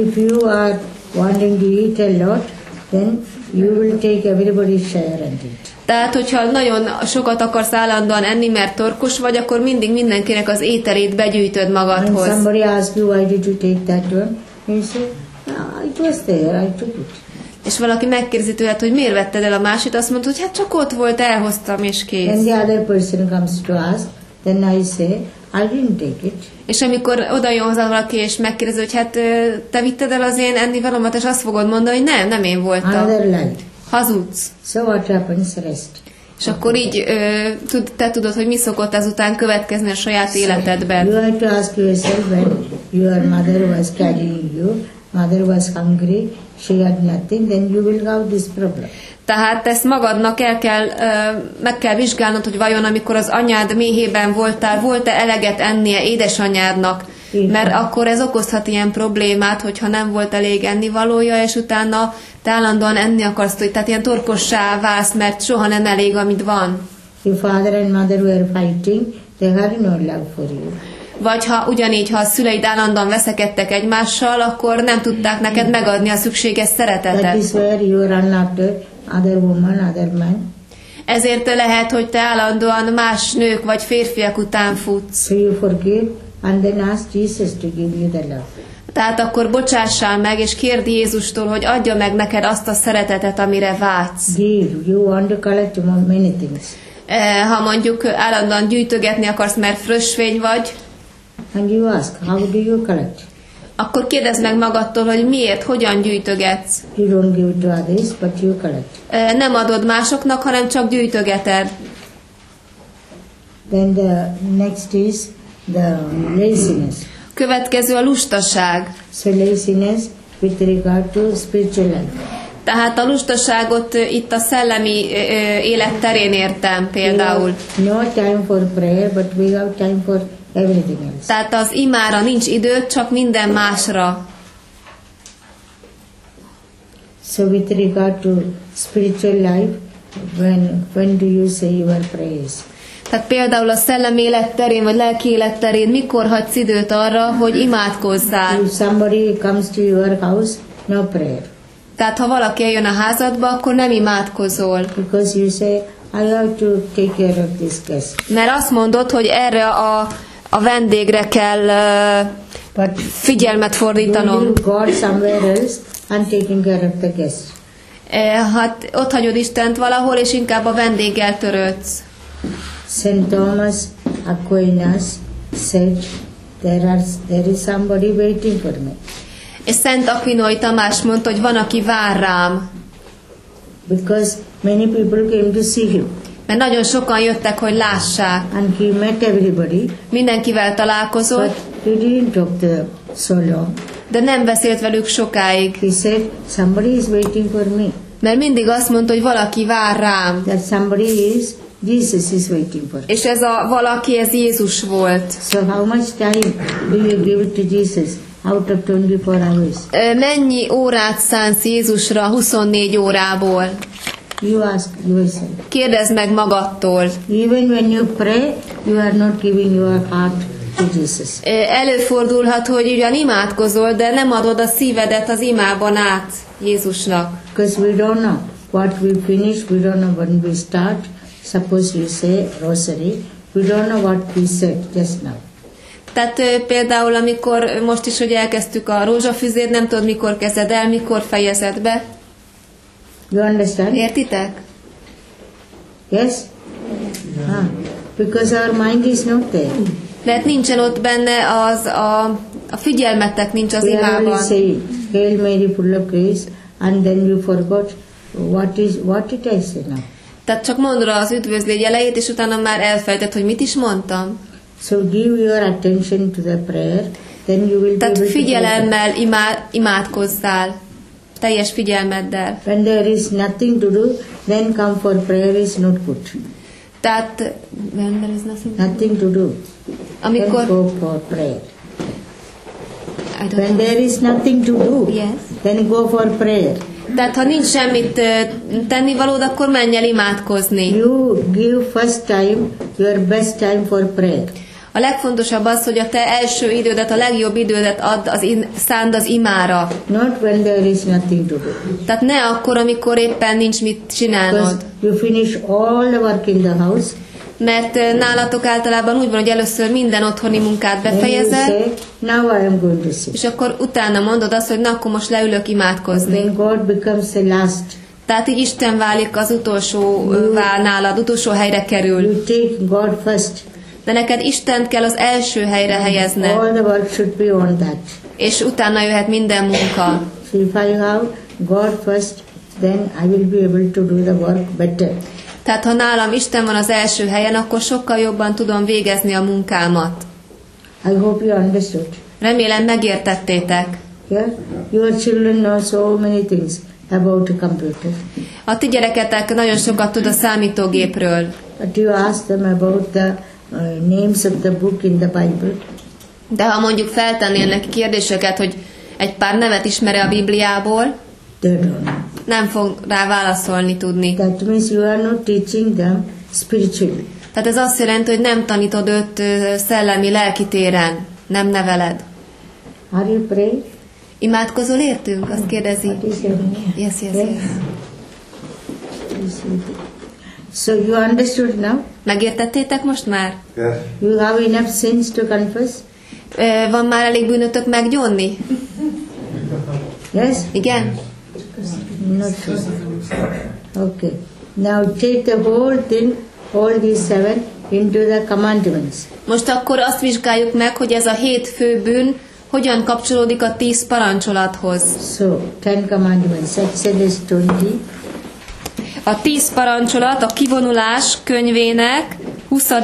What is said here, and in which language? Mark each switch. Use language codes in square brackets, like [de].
[en] If you are wanting to eat a lot, then you will take everybody's share and eat. [hu] Tehát, hogyha nagyon sokat akarsz állandóan enni, mert torkos vagy, akkor mindig mindenkinek az ételét begyűjtöd magadhoz. [en] When somebody asks you, why did you take that one? You say, it was there, I took it. [hu] És valaki megkérdezi tőled, hogy miért vetted el a másit, azt mondta, hogy hát csak ott volt, elhoztam és kész. [en] Then the other person comes to ask, then I say, I didn't take it. [hu] És amikor oda jön hozzá valaki és megkérdezi, hogy hát te vitted el az én ennivalomat, és azt fogod mondani, hogy nem én voltam. [en] Another lie. [hu] Hazudsz. [en] So what happens, rest. [hu] És akkor így te tudod, hogy mi szokott ezután következni a saját életedben. [en] You have to ask yourself when your mother was carrying you, mother was hungry, she had nothing, then you will have this problem. [hu] Tehát ezt magadnak el kell, meg kell vizsgálnod, hogy vajon amikor az anyád méhében voltál, volt-e eleget ennie édesanyádnak? Mert akkor ez okozhat ilyen problémát, hogyha nem volt elég ennivalója, és utána te állandóan enni akarsz, hogy tehát ilyen torkossá válsz, mert soha nem elég, amit van. [en] Your father and mother were fighting, they have no love for you. [hu] Vagy ha ugyanígy, ha a szüleid állandóan veszekedtek egymással, akkor nem tudták neked megadni a szükséges szeretetet. [en] That is where you run after other woman, other man. [hu] Ezért lehet, hogy te állandóan más nők vagy férfiak után futsz. [en] So you forgive and then ask Jesus to give you the love. [hu] Tehát akkor bocsássál meg, és kérd Jézustól, hogy adja meg neked azt a szeretetet, amire vágysz. [en] Give, you want to collect many things. [hu] Ha mondjuk állandóan gyűjtögetni akarsz, mert frösvény vagy. [en] And you ask, how do you collect? [hu] Akkor kérdezd meg magadtól, hogy miért, hogyan gyűjtögetsz. [en] You don't give to others, but you collect. [hu] Nem adod másoknak, hanem csak gyűjtögeted. [en] Then the next is the laziness. [hu] Következő a lustaság. [en] So laziness with regard to spiritual life. [hu] Tehát a lustaságot itt a szellemi élet terén értem például. [en] No time for prayer, but we have time for everything else. [hu] Tehát az imára nincs idő, csak minden másra. [en] So with regard to spiritual life, when do you say your prayers? [hu] Tehát például a szellemi élet terén, vagy lelki élet terén, mikor hagysz időt arra, hogy imádkozzál? [en] If somebody comes to your house, no prayer. [hu] Tehát ha valaki eljön a házadba, akkor nem imádkozol. [en] Because you say, I have to take care of this guest. [hu] Mert azt mondod, hogy erre a vendégre kell figyelmet fordítanom. [en] But you go somewhere else and taking care of the guest. [hu] Hát ott hagyod Istent valahol, és inkább a vendéggel törődsz. [en] Saint Thomas Aquinas said, there is somebody waiting for me. [hu] És Szent Aquinói Tamás mondta, hogy van, aki vár rám. [en] Because many people came to see him. [hu] Mert nagyon sokan jöttek, hogy lássák. [en] And he met everybody. [hu] Mindenkivel találkozott. [en] But he didn't talk to them so long. [hu] De nem beszélt velük sokáig. [en] He said, somebody is waiting for me. [hu] Mert mindig azt mondta, hogy valaki vár rám. [en] That somebody is Jesus is waiting for. [hu] És ez a valaki, ez Jézus volt. [en] So how much time do you give to Jesus out of 24 hours? [hu] Mennyi órát szánsz Jézusra 24 órából? [en] You ask yourself. [hu] Kérdezz meg magadtól. [en] Even when you pray, you are not giving your heart to Jesus. [hu] Előfordulhat, hogy ugyan imádkozol, de nem adod a szívedet az imában át Jézusnak. [en] Because we don't know what we finish, we don't know when we start. Suppose you say rosary, we don't know what we said just now. [hu] Tehát például, amikor most is, hogy elkezdtük a rózsafüzét, nem tudod, mikor kezded el, mikor fejezed be. [en] You understand? [hu] Értitek? [en] Yes? Because our mind is not there. [hu] Mert nincsen ott benne az, a figyelmetek nincs az imában. [en] We only say, Hail Mary, full of grace, and then you forgot what it is now. [hu] Tehát csak mondd rá az üdvözlégy elejét, és utána már elfelejted, hogy mit is mondtam. [en] So give your attention to the prayer, then you will be able to. [hu] Tehát figyelemmel imádkozzál, teljes figyelmeddel. [en] When there is nothing to do, then come for prayer is not good. Tehát when there is nothing to do, [hu] amikor [en] then go for prayer. When there is nothing to do, yes, then go for prayer. [hu] Tehát ha nincs semmit tennivalód, akkor menj el imádkozni. [en] You give first time your best time for prayer. [hu] A legfontosabb az, hogy a te első idődet, a legjobb idődet add az szánd az imára. [en] Not when there is nothing to do. [hu] Tehát ne akkor, amikor éppen nincs mit csinálnod. [en] You finish all the work in the house. [hu] Mert nálatok általában úgy van, hogy először minden otthoni munkát befejezel, [en] say, [hu] és akkor utána mondod azt, hogy na, akkor most leülök imádkozni. [en] Then God becomes the last. [hu] Tehát így Isten válik az utolsó nálad, utolsó helyre kerül. [en] You take God first. [hu] De neked Istent kell az első helyre helyezni. [en] All the work should be on that. [hu] És utána jöhet minden munka. [en] So if I have God first, then I will be able to do the work better. [hu] Tehát ha nálam Isten van az első helyen, akkor sokkal jobban tudom végezni a munkámat. [en] I hope you understood. [hu] Remélem megértettétek. [en] Yeah? Your children know so many things about a computer. [hu] A ti gyereketek nagyon sokat tud a számítógépről. [en] But you ask them about the names of the book in the Bible. [hu] De ha mondjuk feltennél neki kérdéseket, hogy egy pár nevet ismere a Bibliából, nem fog rá válaszolni tudni. [en] That means you are not teaching them spiritually. [hu] Tehát ez azt jelenti, hogy nem tanítod őt szellemi, lelki téren, nem neveled. [en] Are you praying? [hu] Imádkozol értünk? Azt kérdezi. [en] Yes, yes, yes. So you understood now? [hu] Megértettétek most már? [en] Yes. You have enough sins to confess? [hu] Van már elég bűnötök meggyónni? [en] Yes? [hu] Igen? [en] Not sure. Okay. Now take the whole thing, all these seven, into the commandments. [hu] Most akkor azt vizsgáljuk meg, hogy ez a hét fő bűn hogyan kapcsolódik a 10 parancsolathoz. [en] So, 10 commandments, Exodus 20. [hu] A 10 parancsolat a kivonulás könyvének 20.